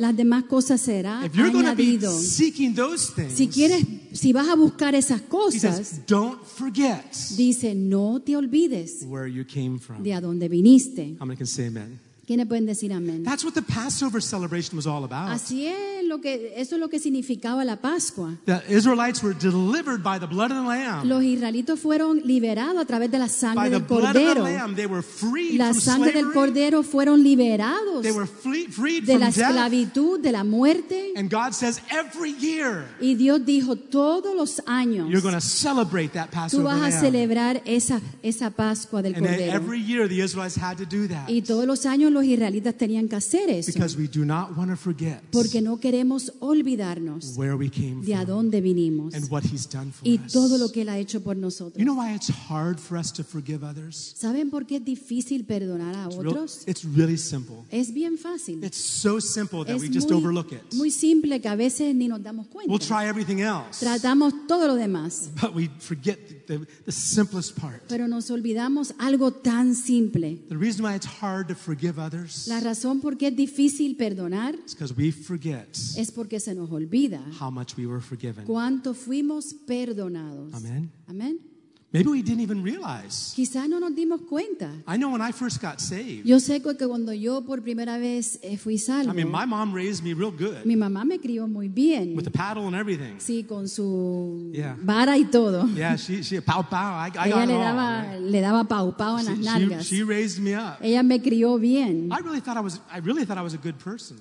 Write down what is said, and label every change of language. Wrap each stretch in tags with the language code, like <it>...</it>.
<es>las demás cosas será</es> <en>if you're</en> <es>añadido.</es> <en>Going to be seeking those things,</en> <es>si quieres, si vas a buscar esas cosas,</es> <en>he says, don't forget.</en> <es>Dice, no te olvides</es> <en>where you came from.</en> <es>De a donde viniste.</es> <en>How many can say amen?</en> <es>¿Quiénes pueden decir amén?</es> <en>That's what the Passover celebration was all about.</en> <es>Así es lo que eso es lo que significaba la Pascua.</es> <en>The Israelites were delivered by the blood of the lamb.</en> <es>Los israelitos fueron liberados a través de la sangre del cordero.</es> <en>By the blood of the lamb, they were freed from</en> <es>La sangre del cordero fueron liberados.</es> <en>They were freed</en> <es>de la esclavitud, de la muerte.</es> <en>And God says every year.</en> <es>Y Dios dijo todos los años.</es> <en>You're going to celebrate that Passover</en> <es>lamb. Tú vas a celebrar esa Pascua del cordero.</es> <en>And every year the Israelites had to do that.</en> <es>Y todos los años los israelitas tenían que hacer eso.</es> <en>Because we do not want to forget</en> <es>porque no queremos olvidarnos</es> <en>where we came</en> <es>de a dónde vinimos</es> <en>and what he's done for</en> <es>y</es> <en>us.</en> <es>Todo lo que él ha hecho por nosotros.</es> <en>You know why it's hard for us to forgive others?</en> <es>¿Saben por qué es difícil perdonar a otros?</es> <en>It's really simple.</en> <es>Es bien fácil.</es> <en>It's so simple that</en> <es>es</es> <en>we just</en> <es>muy,</es> <en>overlook it.</en> <es>Muy simple que a veces ni nos damos cuenta.</es> <en>We'll try everything else.</en> <es>Tratamos todo lo demás.</es> <en>But we forget the simplest part.</en> <es>Pero nos olvidamos algo tan simple.</es> <en>The reason why it's hard to forgive others,</en> <es>la razón por qué es difícil perdonar es porque se nos olvida</es> <en>how much we were forgiven.</en> <es>Cuánto fuimos perdonados. Amen. Amen.</es> <en>Maybe we didn't even realize.</en> <es>Quizá no nos dimos cuenta.</es> <en>I know when I first got saved.</en> <es>Yo sé que cuando yo por primera vez fui salvo.</es> <en>I mean, my mom raised me real good.</en> <es>Mi mamá me crió muy bien.</es> <en>With a paddle and everything.</en> <es>Sí, con su vara y todo.</es> <en>Yeah, she pow pow. I got it all.</en> <es>Ella le daba pow pow en las nalgas.</es> <en>She raised me up.</en> <es>Ella me crió bien.</es> <en>I really thought I was a good person.</en>